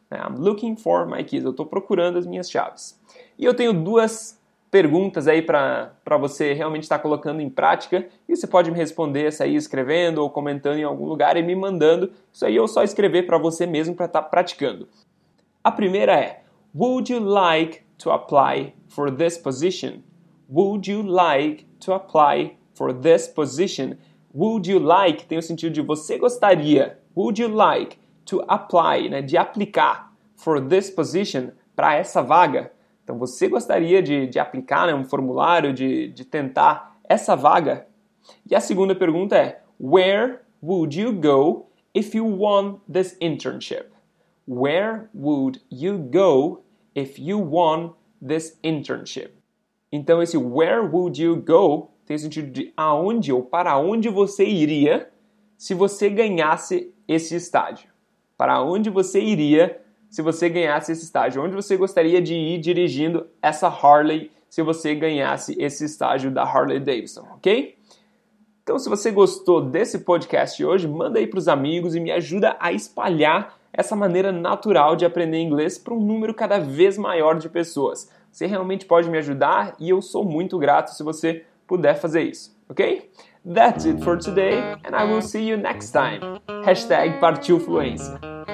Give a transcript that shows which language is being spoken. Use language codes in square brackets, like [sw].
[en] I'm looking for my keys. [pt] Eu estou procurando as minhas chaves. E eu tenho duas perguntas aí para você realmente estar colocando em prática. E você pode me responder isso aí escrevendo ou comentando em algum lugar e me mandando. Isso aí eu só escrever para você mesmo para estar praticando. A primeira é: [en] Would you like to apply for this position? Would you like to apply for this position? Would you like [pt] tem o sentido de você gostaria. [en] Would you like to apply, [pt] né, de aplicar [en] for this position, [pt] para essa vaga? Então, você gostaria de aplicar, né, um formulário, de tentar essa vaga? E a segunda pergunta é: [en] Where would you go if you won this internship? Where would you go if you won this internship? [pt] Então, esse [en] where would you go [pt] tem sentido de aonde ou para onde você iria se você ganhasse esse estágio. Para onde você iria se você ganhasse esse estágio? Onde você gostaria de ir dirigindo essa Harley se você ganhasse esse estágio da Harley Davidson, ok? Então, se você gostou desse podcast hoje, manda aí para os amigos e me ajuda a espalhar essa maneira natural de aprender inglês para um número cada vez maior de pessoas. Você realmente pode me ajudar e eu sou muito grato se você puder fazer isso, ok? [en] That's it for today, and I will see you next time. Hashtag Partiu Fluência.